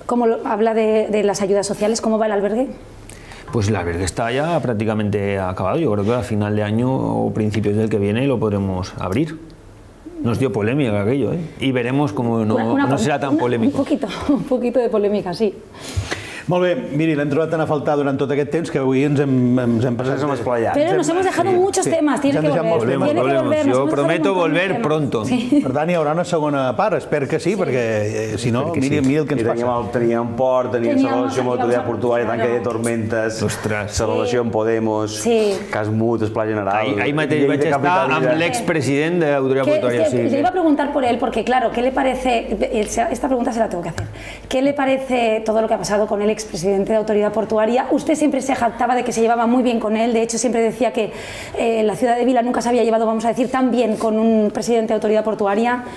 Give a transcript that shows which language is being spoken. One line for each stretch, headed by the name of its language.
Spanish: ¿Cómo lo, habla de las ayudas sociales? ¿Cómo va el albergue? Pues el albergue está ya prácticamente acabado. Yo creo que a final de año o principios del que viene lo podremos abrir. Nos dio polémica aquello, ¿eh? Y veremos cómo no será tan polémico. Un poquito de polémica, sí.
Catalan: Molt bé, miri, l'hem trobat tan a faltar durant tot aquest temps que avui ens hem passat... Ens hem esplayat. Però ens hem deixat
Spanish: muchos temes, tiene que volver. Tiene que volver. Jo prometo volver pronto. Sí.
Catalan: Per tant, hi haurà una segona part, espero que sí, perquè si no, mira el que ens passa. Teníem port, teníem celebració amb l'autoritat portuària, tanque de tormentes, celebració amb Podemos, cas mut, esplà general... Ahir mateix vaig estar amb l'expresident de l'autoritat portuària.
Spanish: Le iba a preguntar por él, porque claro, ¿qué le parece... Esta pregunta se la tengo que hacer. ¿Qué le parece todo lo que ha pasado con él? El expresidente de Autoridad Portuaria, usted siempre se jactaba de que se llevaba muy bien con él, de hecho siempre decía que la ciudad de Vila nunca se había llevado, vamos a decir, tan bien con un presidente de Autoridad Portuaria.